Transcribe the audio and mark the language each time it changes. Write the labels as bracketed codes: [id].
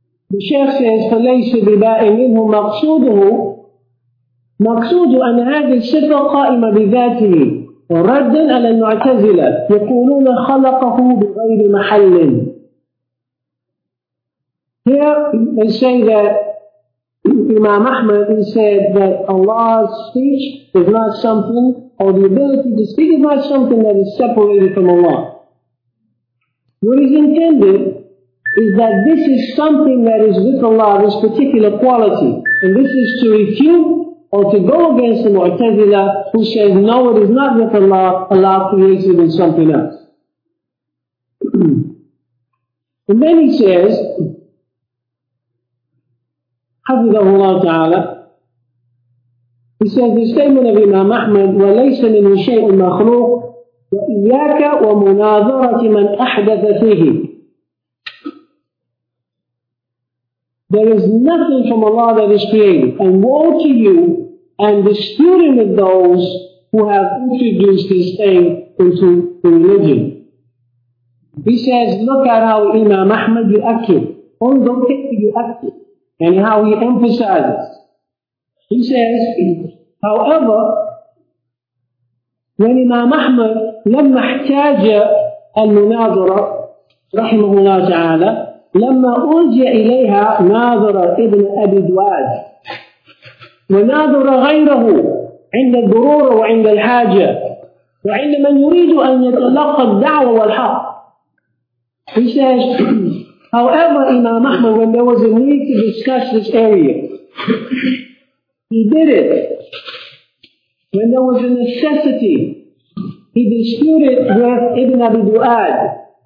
[en] The Shaykh says, [ar] فَلَيْسُ بِبَاءٍ مِنْهُ مَقْصُودُهُ مَقْصُودُ أَنْ هَذِي الصِّفَةَ قَائِمَةً بِذَاتِهِ وَرَدًّا أَلَى الْمُعْتَزِلَةِ يَقُولُونَ خَلَقَهُ بِغَيْرِ مَحَلٍ. [en] Here they say that Imam Ahmad, he said that Allah's speech is not something, or the ability to speak is not something that is separated from Allah. What is intended is that this is something that is with Allah, this particular quality. And this is to refute or to go against the Mu'tazila who says, no, it is not with Allah, Allah creates it in something else. And then he says, [ar] حَفِظَهُ اللَّهُ تَعَالَى, [en] he says, the statement of Imam Ahmad, [ar] وَلَيْسَ مِنْهُ شَيْءٌ مَخْلُوقٌ وَإِيَّاكَ وَمُنَاظَرَةِ مَنْ أَحْدَثَ فِيهِ. [en] There is nothing from Allah that is created. And woe to you and disputing with those who have introduced this thing into the religion. He says, look at how Imam Ahmad yu'akkid. Don't think he yu'akkid. And how he emphasizes. He says, however, when Imam Ahmad [ar] لما احتاج المناظرة رحمه الله تعالى لما أرجع إليها ناظر ابن أبي دواد وناظر غيره عند الضرورة وعند الحاجة وعند من يريد أن يتلقى الدعوة والحق. [en] He says, however, Imam Ahmad, when there was a need to discuss this area, he did it. When there was a necessity, he disputed with Ibn Abi Duad.